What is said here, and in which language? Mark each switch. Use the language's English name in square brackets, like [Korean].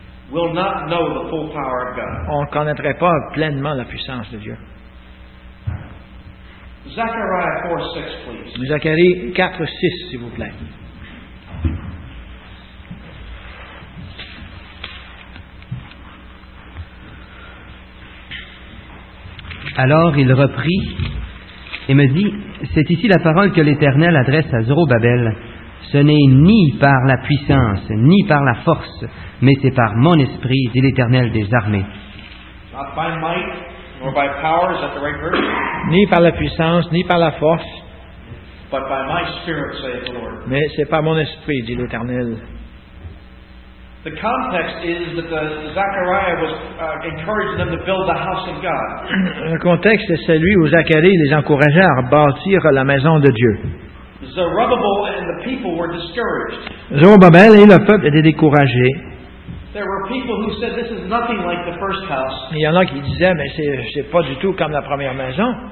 [English] we'll not know the full power of God. [French] On ne connaîtrait pas pleinement la puissance de Dieu. Zacharie 4, 6, s'il vous plaît. Alors il reprit et me dit, c'est ici la parole que l'Éternel adresse à Zorobabel. Ce n'est ni par la puissance, ni par la force, mais c'est par mon esprit, dit l'Éternel des armées. [English] Not by might. Or by power, is that the right verse? [French] Ni par la puissance, ni par la force. [English] But by my spirit, saith the Lord. [French] Mais c'est par mon esprit, dit l'Éternel. [English] The context is that Zachariah was encouraging them to build the house of God. [French] Le contexte est celui où Zacharie les encourageait à bâtir la maison de Dieu. [English] Zerubbabel and the people were discouraged. [French] Zerubbabel et le peuple étaient découragés. [English] There were people who said this is nothing like the first house. [French] Il y en a qui disaient mais c'est pas du tout comme la première maison.